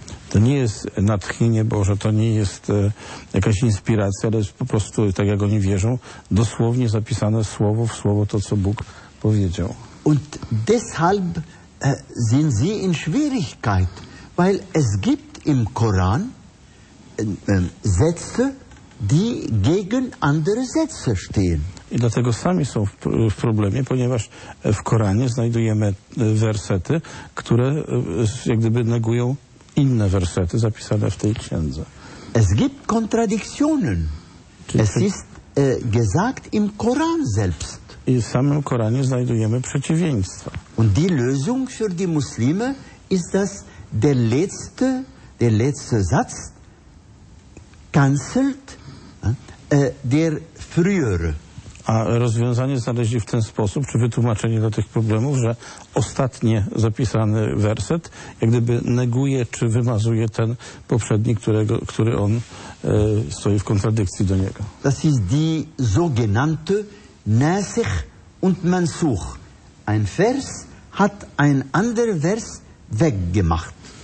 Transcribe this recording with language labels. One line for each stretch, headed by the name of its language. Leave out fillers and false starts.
Polish: To nie jest natchnienie Boże, to nie jest jakaś inspiracja, ale jest po prostu, tak jak oni wierzą, dosłownie zapisane słowo w słowo to, co Bóg powiedział.
German: Und deshalb sind sie in Schwierigkeit, weil es gibt im Koran Sätze, die gegen andere Sätze stehen.
Polish: I dlatego sami są w problemie, ponieważ w Koranie znajdujemy wersety, które jak gdyby negują inne wersety zapisane w tej księdze.
German: Es gibt Kontradiktionen. Es ist gesagt im Koran selbst.
Polish: I w samym Koranie znajdujemy przeciwieństwa.
German: Und die Lösung für die Muslime ist das der letzte Satz cancelt der frühere.
Polish: A rozwiązanie znaleźli w ten sposób, czy wytłumaczenie do tych problemów, że ostatnie zapisany werset jak gdyby neguje, czy wymazuje ten poprzedni, który on stoi w kontradykcji do niego.
German: Das ist die sogenannte Nasich und Mansuch. Ein Vers hat ein anderer Vers weggemacht.